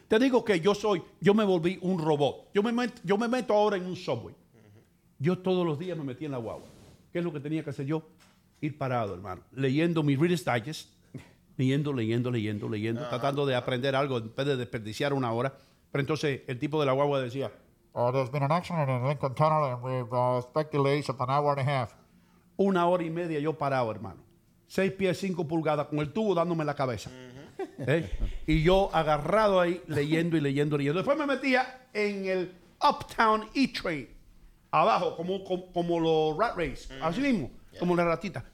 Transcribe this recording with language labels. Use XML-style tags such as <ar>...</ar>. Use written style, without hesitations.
<es>Te digo que yo me volví un robot. Yo me meto ahora en un subway. Uh-huh. Yo todos los días me metí en la guagua. ¿Qué es lo que tenía que hacer yo? Ir parado, hermano, leyendo mi Reader's Digest, leyendo, tratando de aprender algo en vez de desperdiciar una hora. Pero entonces el tipo de la guagua decía,</es> <en>oh, there's been an accident in Lincoln Tunnel and we've speculated an hour and a half.</en> <es>Una hora y media yo parado, hermano. 6 pies, 5 pulgadas, con el tubo dándome la cabeza. Uh-huh. ¿Eh? Y yo agarrado ahí, leyendo y leyendo y leyendo. Después me metía en el Uptown E-Train, abajo, como los</es> <en>rat race,</en> <es>uh-huh. Así mismo, yeah. Como la ratita.</es>